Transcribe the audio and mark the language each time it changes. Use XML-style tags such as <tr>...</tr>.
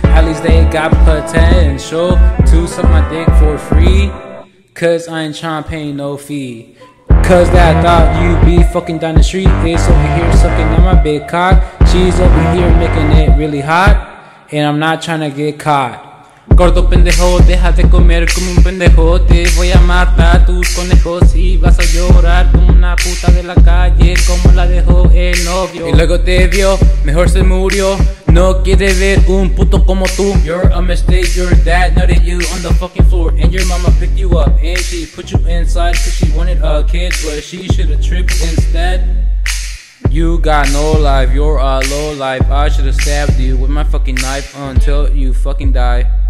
<en>At least they got potential to suck my dick for free. Cause I ain't trying to pay no fee. Cause that thought you be fucking down the street is over here sucking on my big cock. She's over here making it really hot, and I'm not trying to get caught.</en> <es>Gordo pendejo, deja de comer como un pendejo. Te voy a matar tus conejos y vas a llorar como una puta de la calle, como la dejó el novio. Y luego te vio, mejor se murió. No quiere ver un puto como tú.</es> <en>You're a mistake, your dad nutted you on the fucking floor. And your mama picked you up and she put you inside cause she wanted a kid, but she should've tripped instead. You got no life, you're a low life. I should've stabbed you with my fucking knife until you fucking die.</en>